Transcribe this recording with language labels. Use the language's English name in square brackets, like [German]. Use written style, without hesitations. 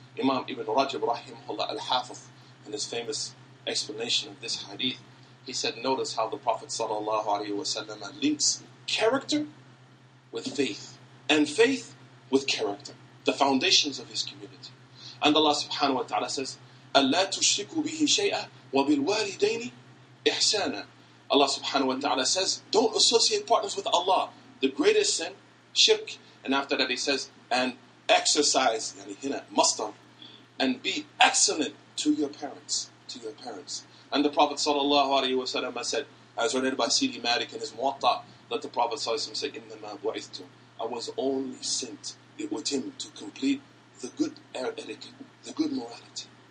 [English] Imam Ibn Rajab rahimahullah al-Hafiz, in his famous explanation of this hadith, he said, notice how the Prophet sallallahu alayhi wa sallam links character with faith, and faith with character, the foundations of his community. And Allah subhanahu wa ta'ala says, [Arabic] أن لا تشركوا به شيئا وبالوالدين إحسانا. [English] Allah subhanahu wa ta'ala says, don't associate partners with Allah. The greatest sin, shirk. And after that he says, and exercise, [Arabic] يعني هنا مصدر, [English] and be excellent to your parents. To your parents. And the Prophet sallallahu alayhi wa sallam said, as related by Sidi Malik in his Muwatta, that the Prophet sallallahu alayhi wa sallam said, [Arabic] إِنَّمَا بُعِثْتُ, [English] I was only sent, it was him, to complete the good etiquette, the good morality.